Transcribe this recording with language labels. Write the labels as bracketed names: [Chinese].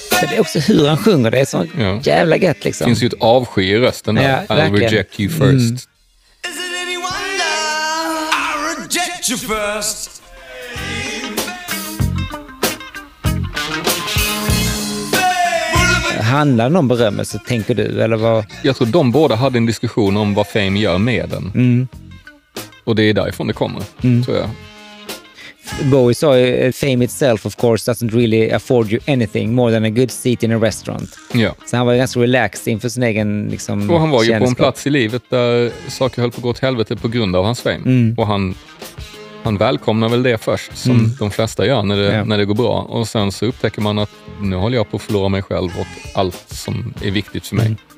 [Swedish] Det är också hur han sjunger, det är så jävla gött liksom. Det finns ju ett avsky i rösten där, I'll verkligen. [English] Reject you first. Is it any wonder, I reject you first. [Swedish] Mm. handlar det om berömmelse, tänker du? Eller vad? Jag tror de båda hade en diskussion om vad fame gör med den. Mm. Och det är därifrån det kommer, tror jag. Bowie sa, [English] fame itself of course doesn't really afford you anything more than a good seat in a restaurant. [Swedish] Ja. Så han var ganska relaxed inför sin egen liksom. Och han var ju på en plats i livet där saker höll på att gå åt helvete på grund av hans fame. Mm. Och han välkomnar väl det först, som de flesta gör när det, när det går bra. Och sen så upptäcker man att nu håller jag på att förlora mig själv och allt som är viktigt för mig.